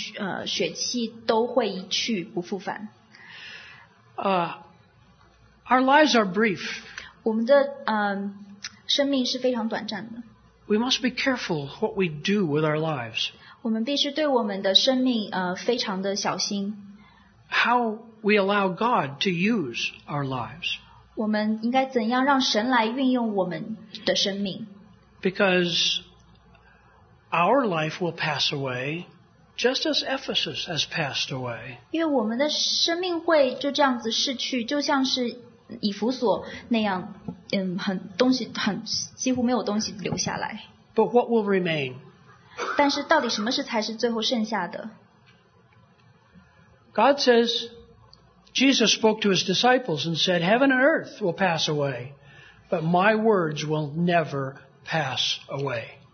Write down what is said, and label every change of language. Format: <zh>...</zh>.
<zh>我们的身体，我们的呼吸，我们的血气都会一去不复返。</zh> <en>Our lives are brief.</en> <zh>我们的生命是非常短暂的。</zh> <en>We must be careful what we do with our lives.</en> <zh>我们必须对我们的生命非常的小心。</zh> <en>How we allow God to use our lives.</en> <zh>我们应该怎样让神来运用我们的生命。</zh> <en>Because our life will pass away just as Ephesus has passed away.</en> <zh>因为我们的生命会就这样子逝去，就像是以弗所那样，很东西很几乎没有东西留下来。</zh> <en>But what will remain?</en> <zh>但是到底什么才是最后剩下的？</zh> <en>God says, Jesus spoke to his disciples and said, Heaven and earth will pass away, but my words will never pass away.</en>